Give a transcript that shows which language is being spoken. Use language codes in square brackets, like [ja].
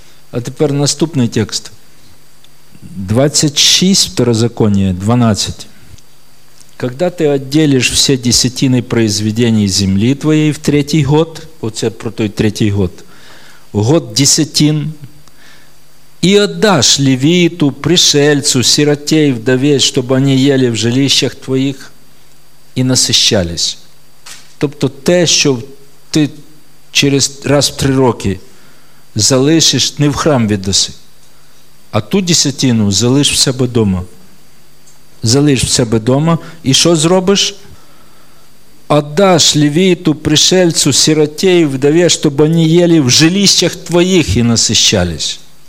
[uk] А тепер наступний текст. [ru] 26 второзаконие, 12. Когда ты отделишь все десятины произведений земли твоей в 3-й год, [uk] оце про той 3-й год, [ru] год десятин, и отдашь левиту, пришельцу, сироте и вдове, чтобы они ели в жилищах твоих и насыщались. [uk] Тобто те, що ти через раз в 3 роки залишиш, не в храм віддаси, а ту десятину залиш в себе дома. Залиш в себе дома, і що зробиш? Отдаш левіту, пришельцю, сироті і вдові, щоб вони їли в жилищах твоїх і насищались.